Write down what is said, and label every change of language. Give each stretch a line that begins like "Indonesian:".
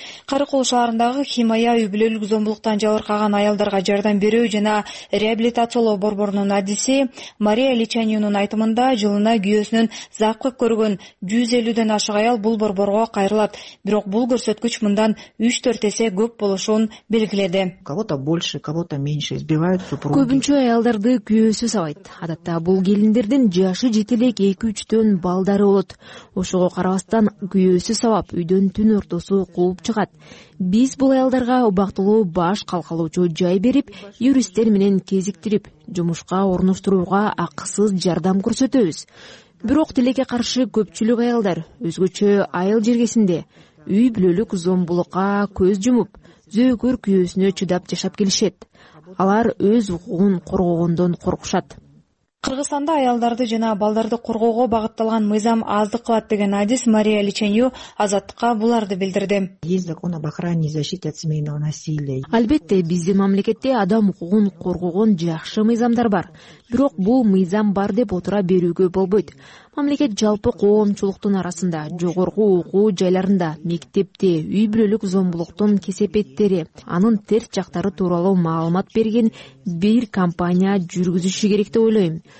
Kyrgyz: Карыкол шаарындагы химая үй-бүлөлүк зомбулуктан жабыркаган аялдарга жардам берүү жана реабилитациялоо борборунун адиси Мария Личанинунун айтымында жылына күйөөсүнөн закып көргөн 150 ашык аял бул борборго кайрылат. Бирок бул көрсөткүч мындан 3-4 эсе көп болушун белгиледи.
Russian: Кого-то больше, кого-то меньше избивают супруги.
Kyrgyz: Көбүнчө аялдарды күйөөсү сабайт. Адатта бул келиндердин жашы жете элек 2-3 балдары болот. Ошого карабастан күйөөсү сабап үйдөн түн ортосу чыгат. Биз бул аялдарга убактылуу баш калкалоочу жай берип, юристтер менен кезиктирип, жумушка орноштурууга акысыз жардам көрсөтөбүз. Бирок тилекке каршы көпчүлүк аялдар өзгөчө айыл жергесинде үй-бүлөлүк зомбулукка көз жумуп, зөөкөр күйөөсүнө чыдап жашап келишет. Алар өз укугун коргогондон коркушат. Кыргызстанда аялдарды жана балдарды коргоого багытталган мыйзам аздык кылат деген адис Мария Личанью Азаттыкка буларды билдирди.
Russian: Есть закон об охране и защите от семейного насилия.
Kyrgyz: Албетте, биздин мамлекетте адам укугун коргогон жакшы мыйзамдар бар. Бирок бул мыйзам бар деп отура берүүгө болбойт. Мамлекет жалпы коомчулуктун арасында, жогорку окуу жайларында, мектепте үй-бүлөлүк зомбулуктун кесепеттери, анын терс жактары тууралуу маалымат берген бир компания жүргүзүшү керек деп ойлойм.